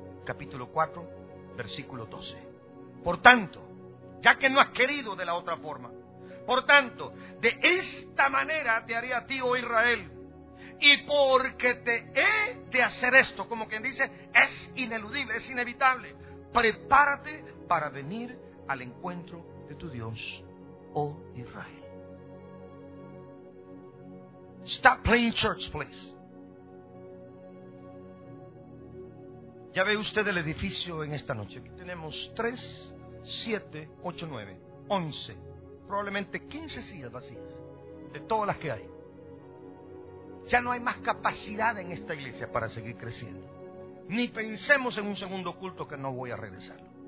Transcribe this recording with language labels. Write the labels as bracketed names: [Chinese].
[Spanish] Capítulo 4, versículo 12. Por tanto, ya que no has querido de la otra forma, por tanto, de esta manera te haré a ti, oh Israel, y porque te he de hacer esto, como quien dice, es ineludible, es inevitable, prepárate para venir al encuentro de tu Dios, oh Israel. [English] Stop playing church, please. [Spanish] Ya ve usted el edificio en esta noche. Aquí tenemos 3, 7, 8, 9, 11, probablemente 15 sillas vacías, de todas las que hay. Ya no hay más capacidad en esta iglesia para seguir creciendo. Ni pensemos en un segundo culto, que no voy a regresar.